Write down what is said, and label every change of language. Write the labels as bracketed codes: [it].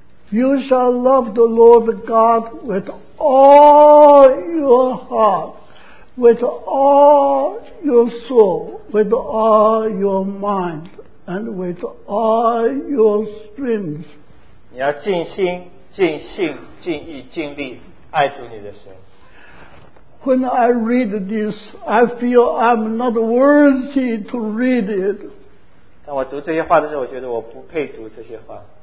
[en] You shall love the Lord God with all your heart, with all your soul, with all your mind, and with all your strength. [zh] 你要尽心、尽性、尽意、尽力爱主你的神。 [en] When I read this, I feel I'm not worthy to read it. [zh] 当我读这些话的时候，我觉得我不配读这些话。